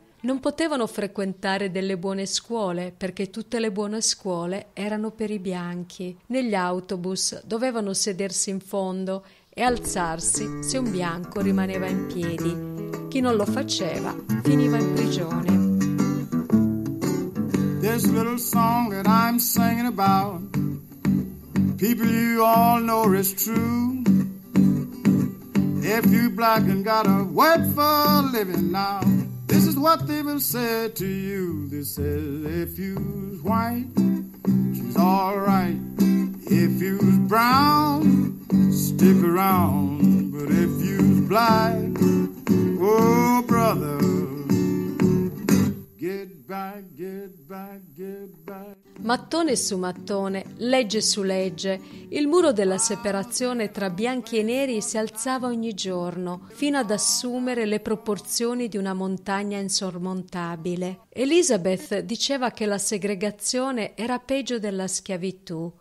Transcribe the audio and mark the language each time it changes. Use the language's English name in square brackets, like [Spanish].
[Italian] Non potevano frequentare delle buone scuole, perché tutte le buone scuole erano per i bianchi. Negli autobus dovevano sedersi in fondo e alzarsi se un bianco rimaneva in piedi. Chi non lo faceva finiva in prigione. [English] This little song that I'm singing about, people you all know is true. If you black and got a word for living now, this is what they will say to you. They said, if you's white, she's all right. If you's brown, stick around. But if you's black, oh brother, get back, get back, get back. [Italian] Mattone su mattone, legge su legge, il muro della separazione tra bianchi e neri si alzava ogni giorno, fino ad assumere le proporzioni di una montagna insormontabile. Elizabeth diceva che la segregazione era peggio della schiavitù.